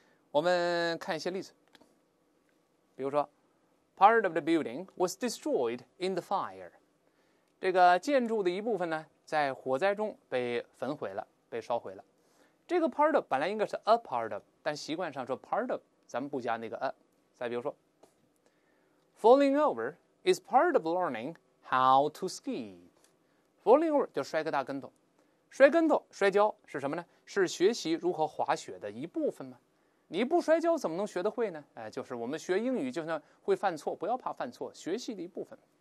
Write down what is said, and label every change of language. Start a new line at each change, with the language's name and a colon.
Chinese: 我们看一些例子，比如说，
English: part of the building was destroyed in the fire。
Chinese: 这个建筑的一部分呢，在火灾中被焚毁了，被烧毁了。这个 part of 本来应该是 a part of，但习惯上说 part of，咱们不加那个 a。再比如说，
English: falling over is part of learning how to ski。 falling over
Chinese: 就摔个大跟头。摔跟头、摔跤是什么呢？是学习如何滑雪的一部分吗？你不摔跤怎么能学得会呢？哎，就是我们学英语，就算会犯错，不要怕犯错，学习的一部分。